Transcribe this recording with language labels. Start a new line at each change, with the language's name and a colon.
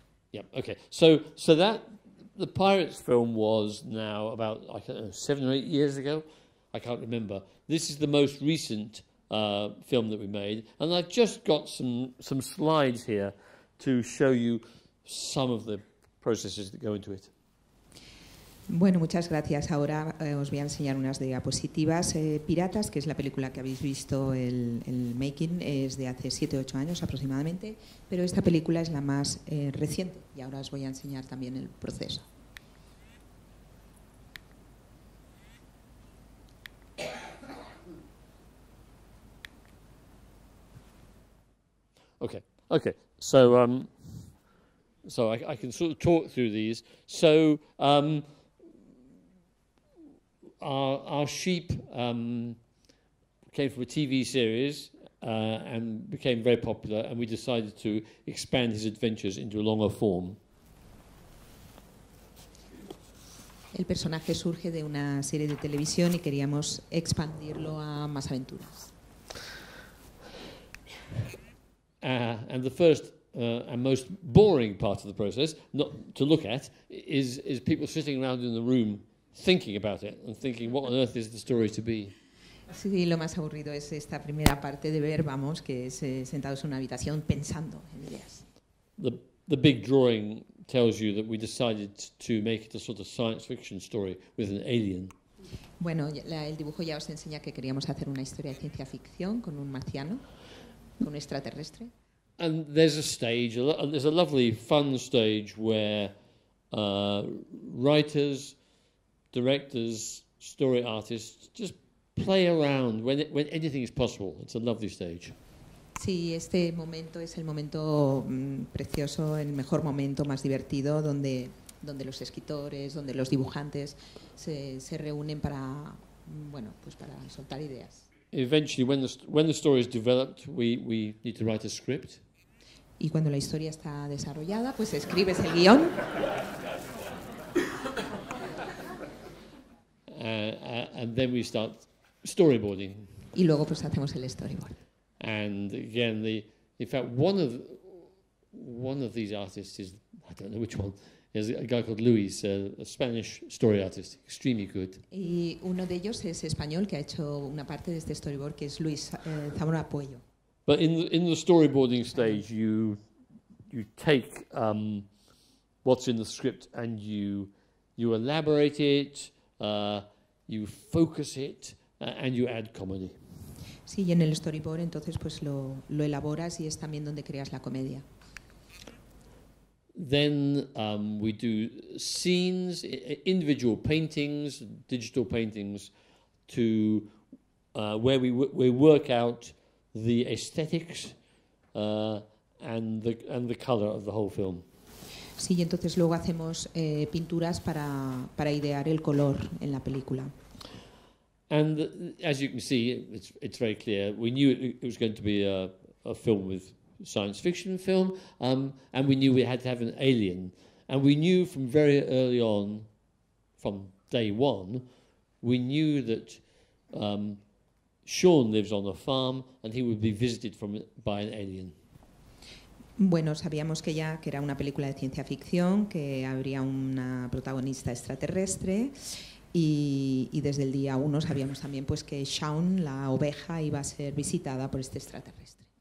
English: Yeah. Okay. So that the Pirates film was now about, I don't know, 7 or 8 years ago. I can't remember. This is the most recent film that we made, and I've just got some slides here to show you some of the processes that go into it.
Spanish: Bueno, muchas gracias. Ahora os voy a enseñar unas diapositivas. Piratas, que es la película que habéis visto, el making, es de hace 7 o 8 años aproximadamente, pero esta película es la más reciente y ahora os voy a enseñar también el proceso.
English: Okay. So I can sort of talk through these. Our sheep came from a TV series and became very popular, and we decided to expand his adventures into a longer form.
Spanish: El personaje surge de una serie de televisión y queríamos expandirlo a más aventuras.
English: And the first and most boring part of the process, not to look at, is people sitting around in the room thinking about it and thinking, what on earth is the story to be?
Spanish: Sí, lo más aburrido es esta primera parte de ver, vamos, que es sentados en una habitación pensando en ideas.
English: The big drawing tells you that we decided to make it a sort of science fiction story with an alien.
Spanish: Bueno, el dibujo ya os enseña que queríamos hacer una historia de ciencia ficción con un marciano, con un extraterrestre.
English: And there's a stage, there's a lovely, fun stage where writers, directors, story artists, just play around when anything is possible. It's a lovely stage.
Spanish: Sí, este momento es el momento precioso, el mejor momento, más divertido, donde los escritores, donde los dibujantes se reúnen para, bueno, pues para soltar ideas.
English: Eventually, when the story is developed, we need to write a script.
Spanish: Y cuando la historia está desarrollada, pues escribes el guión.
English: And then we start storyboarding.
Spanish: Y luego pues hacemos el storyboard.
English: And again, in fact, one of these artists is, I don't know which one, is a guy called Luis, a Spanish story artist, extremely good.
Spanish: Y uno de ellos es español, que ha hecho una parte de este storyboard, que es Luis Zamora Puello.
English: But in the storyboarding stage, you take what's in the script and you elaborate it, you focus it, and you add comedy.
Spanish: Sí, y en el storyboard entonces pues lo elaboras y es también donde creas la comedia.
English: Then we do scenes, individual paintings, digital paintings, to where we work out the aesthetics and the color of the whole film.
Spanish: Sí, y entonces luego hacemos pinturas para idear el color en la película.
English: And as you can see, it's very clear. We knew it was going to be a film with science fiction film, and we knew we had to have an alien. And we knew from very early on, from day one, we knew that Shaun lives on a farm and he would be visited by an alien.
Spanish: Bueno, sabíamos que ya que era una película de ciencia ficción, que habría una protagonista extraterrestre, y desde el día uno sabíamos también pues que Shaun, la oveja, iba a ser visitada por este extraterrestre.